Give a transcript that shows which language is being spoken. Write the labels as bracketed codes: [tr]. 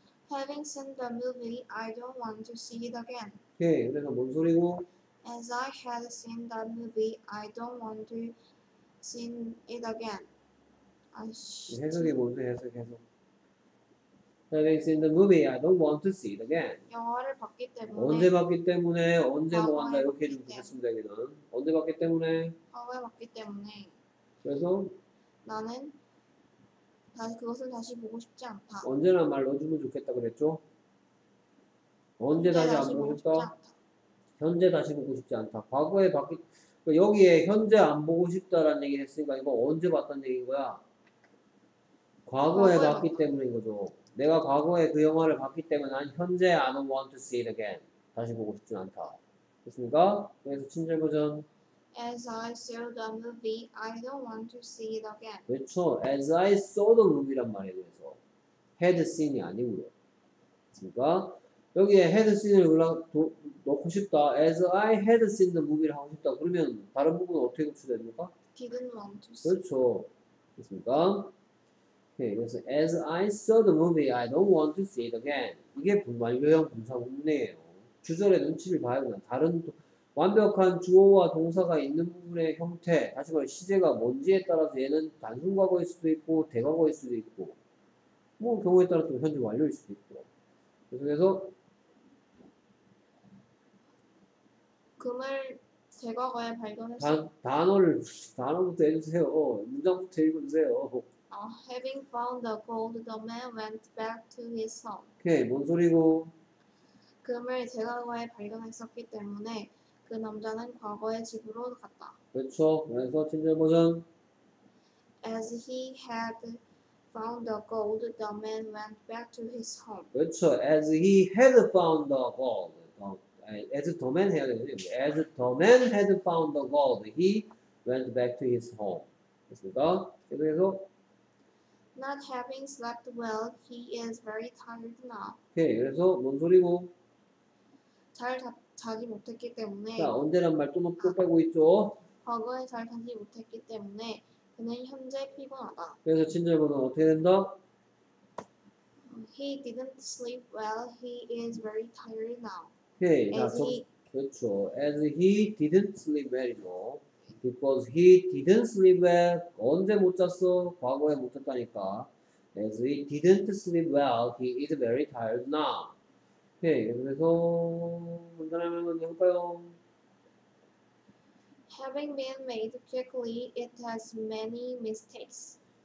[en] Having seen the movie, I don't want to see it again. [ko] 오케이. 그래서 뭔 소리고? [en] As I had seen the movie, I don't want to seen it again. [ko] 해석해 보세요. 해석. [en] Having seen the movie, I don't want to see it again. [ko] 영화를 봤기 때문에 언제 봤기 때문에 언제 뭐 한다 이렇게 좀 보셨습니다. 이거는 언제 봤기 때문에 과거에 봤기 때문에 그래서 나는 다시 그것을 다시 보고 싶지 않다. 언제나 말 넣어주면 좋겠다 그랬죠? 언제 다시 안 보고 싶다? 현재 다시 보고 싶지 않다. 과거에 봤기 그러니까 여기에 현재 안 보고 싶다라는 얘기를 했으니까 이거 언제 봤다는 얘기인 거야? 과거에 봤기 때문인 거죠. 내가 과거에 그 영화를 봤기 때문에 난 현재 [en] I don't want to see it again. [ko] 다시 보고 싶진 않다. 됐습니까? 그래서 친절 버전. [en] As I saw the movie, I don't want to see it again. [ko] 그렇죠. [en] As I saw the movie [ko] 란 말이에요. 그래서 [en] had seen [ko] 이 아니고요. 됐습니까? 여기에 had seen을 넣고 싶다. [en] As I had seen the movie [ko] 를 하고 싶다. 그러면 다른 부분은 어떻게 구출됩니까? [en] Didn't want to see. [ko] 그렇죠. 됐습니까? 그래서 [en] as I saw the movie, I don't want to see it again. [ko] 이게 완료형 분사문이에요. 주절의 눈치를 봐야구나. 다른 완벽한 주어와 동사가 있는 부분의 형태, 다시 말해 시제가 뭔지에 따라서 얘는 단순 과거일 수도 있고 대과거일 수도 있고 뭐 경우에 따라서 현재 완료일 수도 있고. 그래서 금을 대과거에 발견했어요. 단어부터 해주세요. 문장부터 읽어주세요. [en] Having found the gold, the man went back to his home. [ko] 오케이, 뭔 소리고? 금을 대과거에 발견했었기 때문에 그 남자는 과거의 집으로 갔다. 그렇죠. 그래서 친절 버전. [en] As he had found the gold, the man went back to his home. [ko] 그렇죠. [en] As he had found the gold, as the man had, as the man had found the gold, he went back to his home. [ko] 됐습니다. 계속해서. [en] Not having slept well, he is very tired now. [ko] 오케이, 그래서 뭔 소리고? 잘 자지 못했기 때문에 자, 언제란 말 또 높고 빼고 있죠? 과거에 잘 자지 못했기 때문에 그는 현재 피곤하다. 그래서 친절번호 어떻게 된다? [en] He didn't sleep well, he is very tired now. [ko] 오케이, 자, 그렇죠. [en] As he didn't sleep well, you know. Because he didn't sleep well. [ko] 언제 못 잤어? 과거에 못 잤다니까. [en] As he didn't sleep well, he is very tired now. [ko] 오케이, 그래서 간단하면 언제 할까요? [en] Having been made quickly, it has many mistakes.